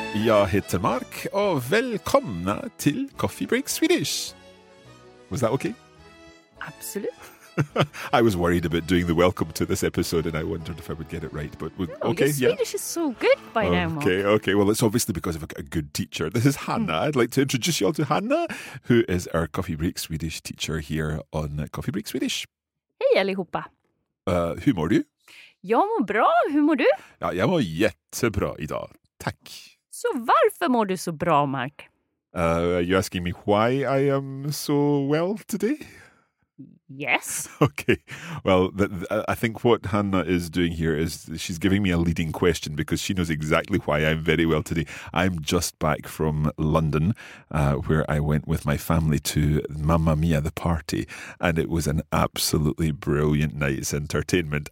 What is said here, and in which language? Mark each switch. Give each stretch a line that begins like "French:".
Swedish: Jag heter Mark och välkomna till Coffee Break Swedish.
English: Was that okay? Absolutely. I was worried about doing the welcome to this episode and I wondered if I would get it right. But no, okay, your Swedish is so good by now, Mark. Okay. Well, it's obviously because of a good teacher. This is Hannah. I'd like to introduce you all to Hannah, who is our Coffee Break Swedish teacher here on Coffee Break Swedish.
Swedish: Hej allihopa. Hur mår du? Jag mår bra. Hur mår du? Ja, jag mår jättebra idag. Tack. Så varför mår du så bra, Mark?
English: Are you asking me why I am so well today? Yes. Okay. Well, I think what Hannah is doing here is she's giving me a leading question because she knows exactly why I'm very well today. I'm just back from London, where I went with my family to Mamma Mia, the party, and it was an absolutely brilliant night's entertainment.